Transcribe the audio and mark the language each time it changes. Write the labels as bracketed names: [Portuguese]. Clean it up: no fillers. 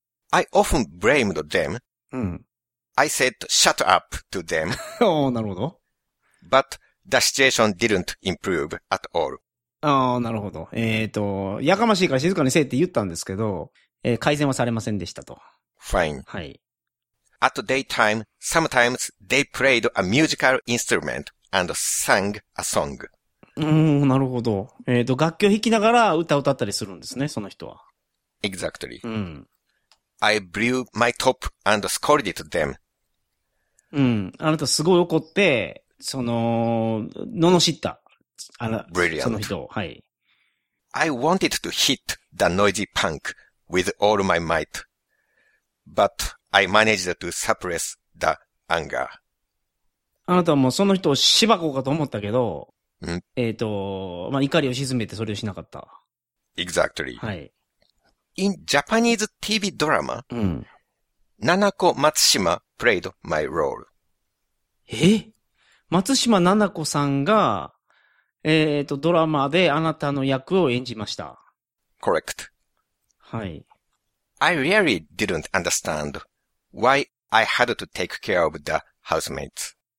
[English] I often blamed them.、 [Japanese] うん、 [English] I said shut up to them. [Japanese] ああ、なるほど。 [English] ButThe situation didn't improve at all. [Japanese] ああ、なるほど。やかましいから静かにせえって言ったんですけど、改善はされませんでしたと。 [English] Fine. [Japanese] はい。 [English] At daytime, sometimes they played a musical instrument and sang a song. [Japanese] なるほど。楽器を弾きながら歌を歌ったりするんですね、その人は。 [English] Exactly. [Japanese] うん。 [English] I blew my top and scolded them. [Japanese] うん。あなたすごい怒って、その、罵った。あの、 [English] Brilliant. [Japanese] その人を。はい。 [English] I wanted to hit the noisy punk with all my might, but I managed to suppress the anger. [Japanese] あなたはもうその人を芝生かと思ったけど、ん？まあ、怒りを鎮めてそれをしなかった。 [English] Exactly. [Japanese] はい。 [English] In Japanese TV drama,、 [Japanese] うん、 [English] ナナコ・マツシマ played my role. [Japanese] え？松島奈々子さんが、ドラマであなたの役を演じました。 [English] Correct. [Japanese] はい。 [English] I really didn't understand why I had to take care of the housemates.